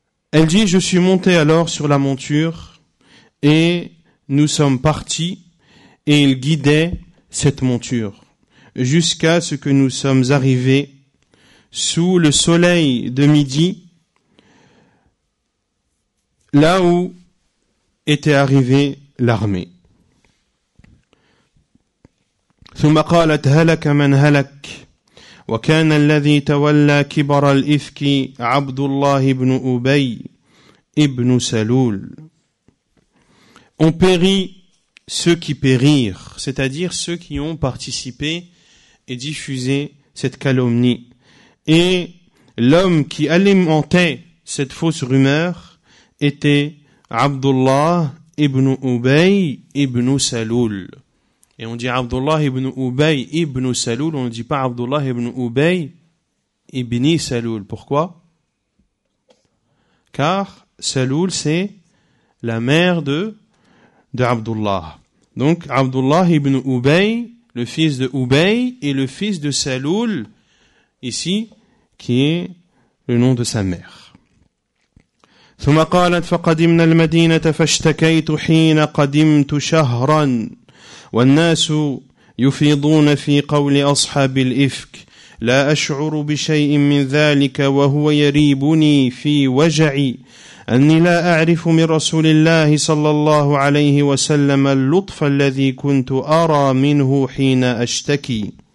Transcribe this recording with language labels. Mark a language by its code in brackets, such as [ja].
[fr] Elle dit, je suis monté alors sur la monture et nous sommes partis et il guidait cette monture jusqu'à ce que nous sommes arrivés sous le soleil de midi, là où était arrivée l'armée. [ar] ثم قالت هلك من هلك وكان الذي تولى كبر الإفك عبد الله بن أبي ابن سلول. [fr] On périt ceux qui périrent, c'est-à-dire ceux qui ont participé et diffusé cette calomnie. Et l'homme qui alimentait cette fausse rumeur était Abdullah ibn Ubay ibn Salul. Et on dit Abdullah ibn Ubay ibn Salul, on ne dit pas Abdullah ibn Ubay ibn Salul. Pourquoi? Car Salul, c'est la mère de Abdullah. Donc Abdullah ibn Ubay, le fils de Ubay et le fils de Salul, ici, qui est le nom de sa mère. [ar] ثم قالت فقدمنا المدينة فاشتكيت حين قدمت شهرا والناس يفيضون في قول أصحاب الإفك لا أشعر بشيء من ذلك وهو يريبني في وجعي أني لا أعرف من رسول الله صلى الله عليه وسلم اللطف الذي كنت أرى منه حين أشتكي